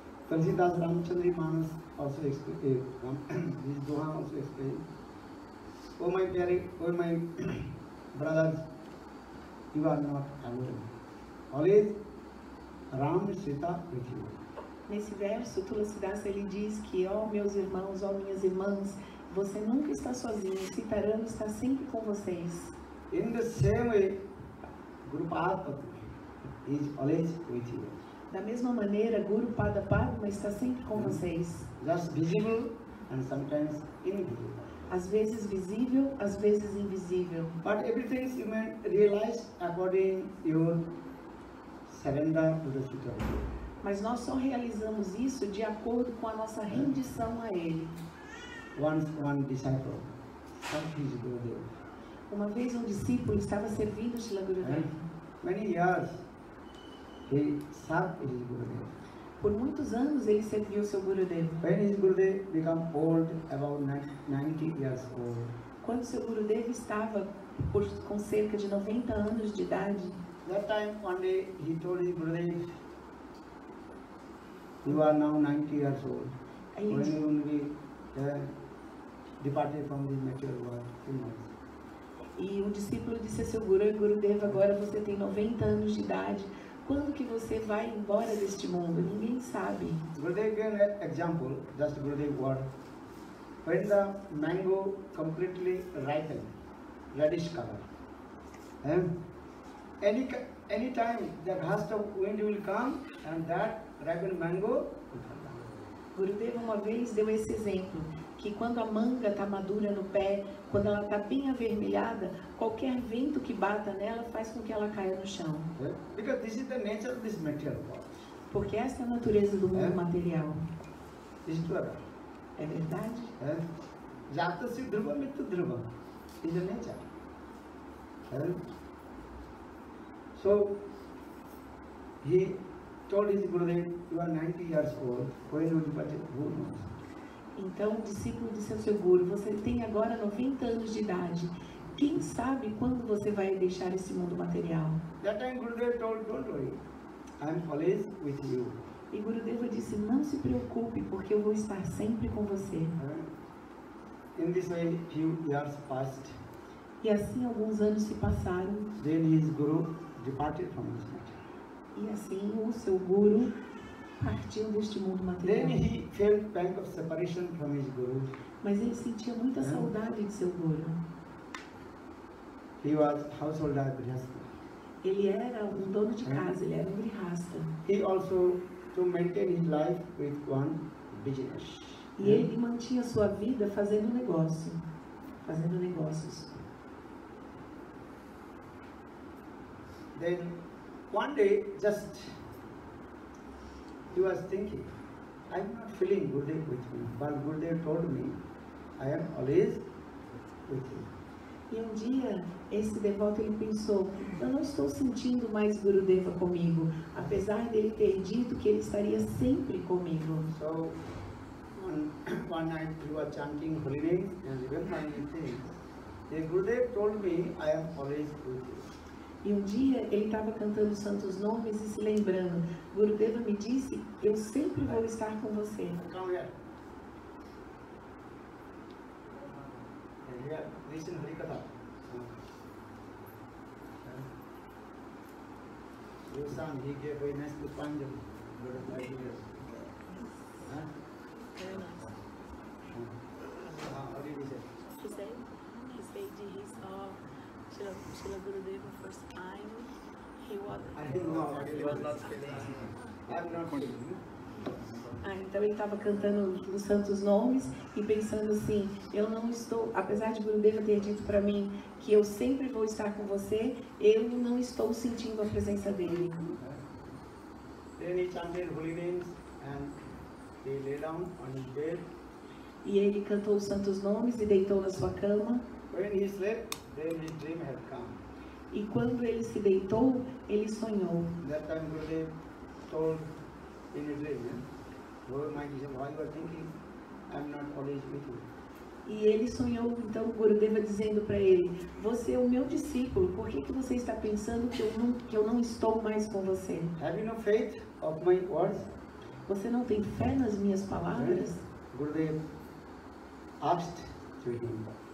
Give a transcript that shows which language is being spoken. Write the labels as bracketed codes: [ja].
[en] Tulsidas Ramchandri Manas also explained, this doha also explained. Oh my dearie, oh my brothers, you are not alone. Always Ram, Sita with you. [pt] Nesse verso, Tulasidasa ele diz que, ó meus irmãos, ó minhas irmãs, você nunca está sozinho, Sitaram está sempre com vocês. [en] In the same way, Guru Padapadma is always with you. [pt] Da mesma maneira, Guru Padapadma está sempre com vocês. [en] Just visible and sometimes invisible. [pt] Às vezes visível, às vezes invisível. [en] But everything you may realize according your surrender to the Sitaram. [pt] Mas nós só realizamos isso de acordo com a nossa rendição a Ele. [en] One disciple served his Gurudev. [pt] Uma vez um discípulo estava servindo Shri Gurudev. [en] Many years he served his Gurudev. [pt] Por muitos anos ele serviu seu Gurudev. [en] When his Gurudev became old, about 90 years old. [pt] Quando seu Gurudev estava com cerca de 90 anos de idade. [en] That time one day he told his Gurudev, you are now 90 years old. When you will be departed from the material world, you know. [pt] E um discípulo disse a seu Guru, Gurudev, agora você tem 90 anos de idade. Quando que você vai embora deste mundo? Ninguém sabe. [en] Gurudev gave an example, just Gurudev word. When the mango completely ripened, reddish color. Any time the gust of wind will come and that ripened mango will come down. [pt] Gurudev uma vez deu esse exemplo. Que quando a manga está madura no pé, quando ela está bem avermelhada, qualquer vento que bata nela faz com que ela caia no chão. [en] Because this is the nature of this material world. [pt] Porque essa é a natureza do mundo material. [en] Is it true? [pt] É verdade? [sa] Jata se dhruva mitu dhruva. [en] Is the nature. So, he told his Gurudev, you are 90 years old, when you depart, who knows? [pt] Então, o discípulo disse ao seu guru, você tem agora 90 anos de idade. Quem sabe quando você vai deixar esse mundo material? [en] That time Gurudev told, don't worry, I'm always with you. [pt] E Gurudeva disse, não se preocupe, porque eu vou estar sempre com você. [en] In this way, few years passed. [pt] E assim, alguns anos se passaram. [en] Then his guru departed from this material. [pt] E assim, o seu guru partiu deste mundo material. [en] Then he felt pain of separation from his guru. [pt] Mas ele sentia muita saudade de seu guru. [en] He was householder grihastha. [pt] Ele era um dono de casa, ele era um grihastha. [en] He also to maintain his life with one business. [pt] E ele mantinha sua vida fazendo negócio, fazendo negócios. [en] Then one day just he was thinking, I'm not feeling Gurudev with me, but Gurudev told me, I am always with you. [pt] E um dia, esse devoto ele pensou, eu não estou sentindo mais Gurudeva comigo, apesar dele ter dito que ele estaria sempre comigo. [en] So, one night you were chanting holy name and remembering things, and Gurudev told me, I am always with you. [pt] E um dia ele estava cantando santos nomes e se lembrando, Gurudeva me disse, eu sempre vou estar com você. [en] Come here. Here, listen, Harikatha. Your son, he gave very nice to Panjami. Very nice. How did he say? He said he saw Srila Gurudeva first time, he was... I didn't know. [pt] Então ele estava cantando os santos nomes e pensando assim, eu não estou, apesar de Gurudeva ter dito para mim que eu sempre vou estar com você, eu não estou sentindo a presença dele. [en] Then he chanted holy names and he lay down on his bed. [pt] E ele cantou os santos nomes e deitou na sua cama. [en] When he slept, then his dream had come. [pt] E quando ele se deitou, ele sonhou. [en] That time Gurudev told in his dream, Gurudev said, why you are thinking, I'm not always with you. [pt] E ele sonhou, então, Gurudeva dizendo para ele, você é o meu discípulo, por que, que você está pensando que eu não estou mais com você? [en] Have you no faith of my words? [pt] Você não tem fé nas minhas palavras? [en] Then Gurudev asked to him.